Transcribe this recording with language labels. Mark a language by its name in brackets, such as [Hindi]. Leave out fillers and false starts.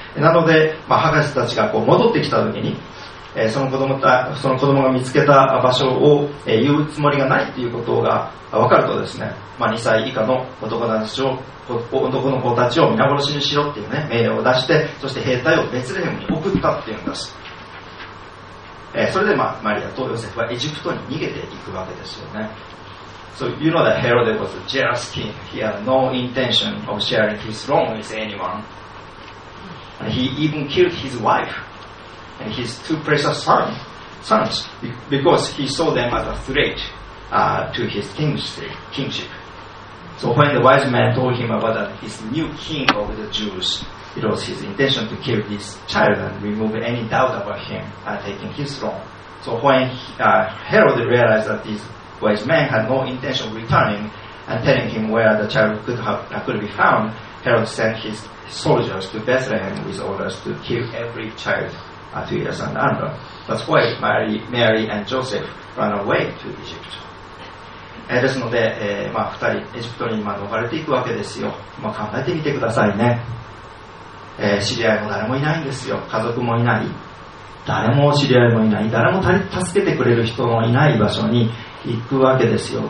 [Japanese] なので、まあ、博士たちがこう戻ってきたときに、その子供が見つけた場所を、言うつもりがないということが分かるとですね、まあ、2歳以下の男の子たちを皆殺しにしろっていうね命令を出して、そして兵隊をベツレヘムに送ったっていうんです。それで、まあ、マリアとヨセフはエジプトに逃げていくわけですよね。 [English] So you know that Herod was a jealous king. He had no intention of sharing his throne with anyone. And he even killed his wife and his two precious sons because he saw them as a threat to his kingship. So when the wise man told him about his new king of the Jews,It was his intention to kill this child and remove any doubt about him taking his throne. So when Herod realized that this wise man had no intention of returning and telling him where the child could be found, Herod sent his soldiers to Bethlehem with orders to kill every child 2 years and under. That's why Mary and Joseph ran away to Egypt. [Japanese] ですので、まあ、2人エジプトに逃れていくわけですよ。まあ、考えてみてくださいね。知り合いも誰もいないんですよ。家族もいない、誰も知り合いもいない、誰も助けてくれる人もいない場所に行くわけですよ。